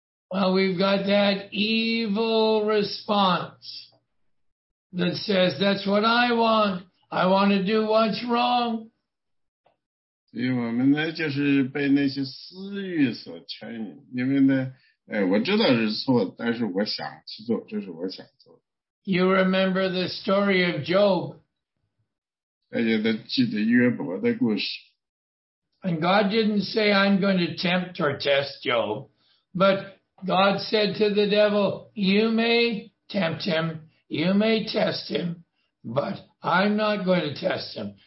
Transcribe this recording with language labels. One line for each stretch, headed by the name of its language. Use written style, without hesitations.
English: Well, we've got that evil response that says, that's what I want. I want to do what's wrong.
Chinese: 所以我们呢，就是被那些私欲所牵引，因为呢，我知道是错，但是我想去做，这是我想做的。
English: You remember the story of Job.
Chinese: 大家都记得约伯的故事。
English: And God didn't say, I'm going to tempt or test Job. But God said to the devil, you may tempt him, you may test him, but I'm not going to test him.